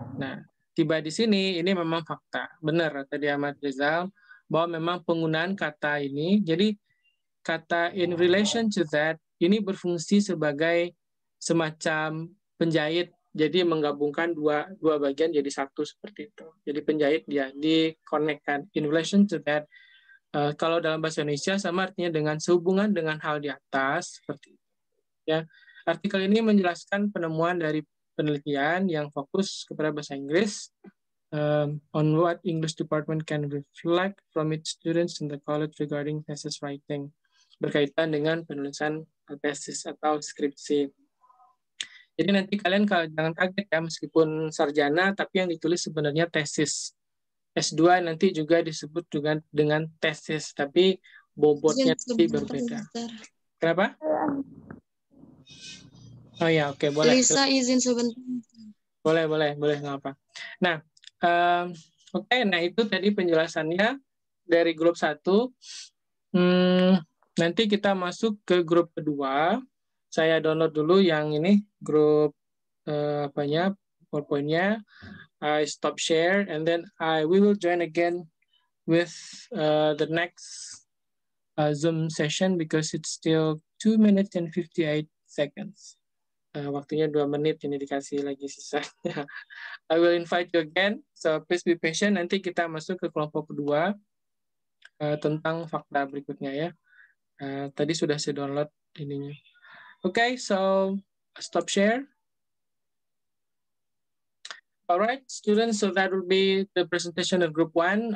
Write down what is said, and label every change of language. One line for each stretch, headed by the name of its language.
Indonesian: Nah, tiba di sini ini memang fakta. Benar tadi Ahmad Rizal bahwa memang penggunaan kata ini, jadi kata
English: in relation to that
Indonesian: ini berfungsi sebagai semacam penjahit, jadi menggabungkan dua bagian jadi satu seperti itu. Jadi penjahit dia dikonekkan
English: in relation to that.
Indonesian: Kalau dalam bahasa Indonesia sama artinya dengan sehubungan dengan hal di atas seperti itu. Ya, artikel ini menjelaskan penemuan dari penelitian yang fokus kepada bahasa Inggris.
English: On what English department can reflect from its students in the college regarding thesis writing
Indonesian: berkaitan dengan penulisan tesis atau skripsi. Jadi nanti kalian kalau jangan kaget ya, meskipun sarjana tapi yang ditulis sebenarnya tesis. S2 nanti juga disebut juga dengan tesis tapi bobotnya pasti berbeda. Kenapa? Oh ya, oke, boleh. Lisa izin sebentar. Boleh, enggak apa. Nah, nah itu tadi penjelasannya dari grup 1. Nanti kita masuk ke grup 2. Saya download dulu yang ini grup PowerPoint-nya.
English: I stop share and then we will join again with the next Zoom session because it's still 2 minutes and 58 seconds.
Indonesian: Waktunya 2 menit ini dikasih lagi sisanya.
English: I will invite you again. So please be patient.
Indonesian: Nanti kita masuk ke kelompok kedua tentang fakta berikutnya ya. Tadi sudah saya download ininya.
English: Okay, so stop share. All right, students, so that will be the presentation of group 1.